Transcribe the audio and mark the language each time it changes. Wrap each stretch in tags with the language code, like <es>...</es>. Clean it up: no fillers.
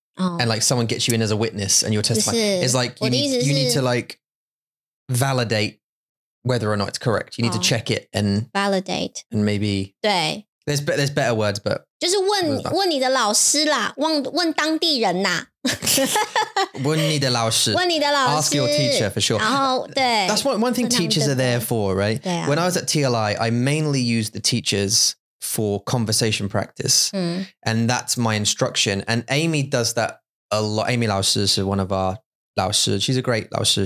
<en>And like someone gets you in as a witness and you're testifying. It's like you need to like validate whether or not it's correct. You need to check it and validate. And maybe</en> <zh>对</zh> <en>there's better words, but</en> <zh>就是问你的老师啦，问当地人啦。问你的老师，问你的老师</zh> <en>，ask your teacher for sure.</en> <zh>然后对</zh> <en>，that's one thing teachers are there for, right?</en> <zh>对啊。</zh> <en>When I was at TLI, I mainly used the teachers. For conversation practice. And that's my instruction. And Amy does that a lot. Amy 老师是one of our 老师.She's a great 老师.</en>